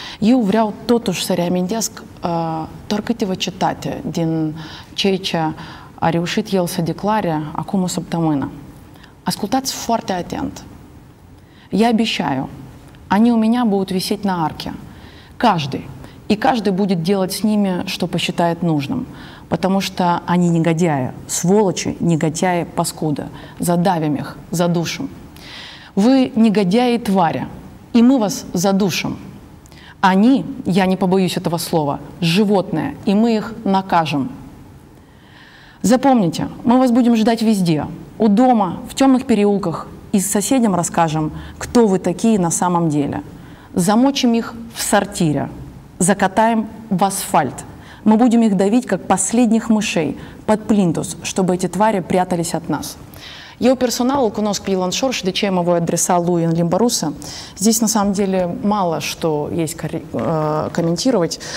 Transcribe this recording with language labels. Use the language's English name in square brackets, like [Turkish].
[Romanian] Eu vreau totuși să reamintesc doar câteva citate din ceea ce a reușit el să declare acum o săptămână. Ascultați foarte atent. [Russian] Я обещаю, они у меня будут висеть на арке. Каждый. И каждый будет делать с ними, что посчитает нужным. Потому что они негодяи, сволочи, негодяи, паскуда. Задавим их, задушим. Вы негодяи и твари, и мы вас задушим. Они, я не побоюсь этого слова, животные, и мы их накажем. Запомните, мы вас будем ждать везде. У дома, в темных переулках, и с соседям расскажем, кто вы такие на самом деле. Замочим их в сортире, закатаем в асфальт. Мы будем их давить, как последних мышей, под плинтус, чтобы эти твари прятались от нас. [Romanian] Eu personal cunosc pe Elon Shore și de ce mă voi adresa lui în limba rusă. [Russian] Здесь, на самом деле, мало что есть комментировать.